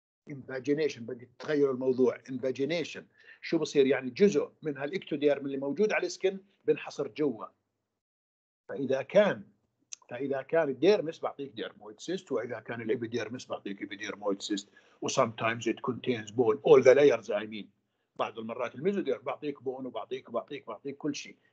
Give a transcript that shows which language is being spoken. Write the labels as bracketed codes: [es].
[ar] Invagination, بدي تغير الموضوع. Invagination, شو بصير؟ يعني جزء من هالإكتوديرم اللي موجود على السكن بنحصر جوا. فإذا كان الديرمس بعطيك ديرمويد سيست، وإذا كان الإبيديرمس بعطيك إبيديرمويد سيست. [en] وsometimes it contains bone, all the layers I mean. [ar] بعض المرات الميزودير بعطيك bone وبعطيك كل شيء.